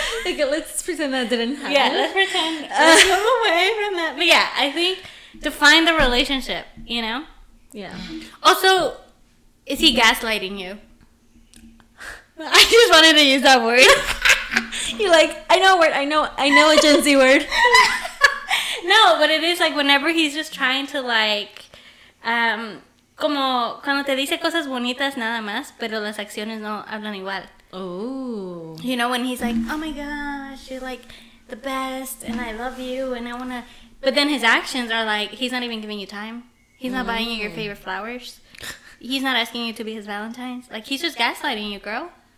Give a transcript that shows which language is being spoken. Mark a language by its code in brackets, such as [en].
[en] Okay, let's pretend that didn't happen. Yeah, let's pretend. Let's move away from that. But yeah, I think define the relationship, you know? Yeah. Also, is he gaslighting you? I just wanted to use that word. You're like, I know a word. I know a Gen Z word. No, but it is like whenever he's just trying to like, [es] como cuando te dice cosas bonitas nada más, pero las acciones no hablan igual. [en] Oh. You know, when he's like, oh my gosh, you're like the best and I love you and I wanna, but then his actions are like, he's not even giving you time. He's not buying you your favorite flowers. He's not asking you to be his Valentine's. Like, he's just gaslighting you, girl.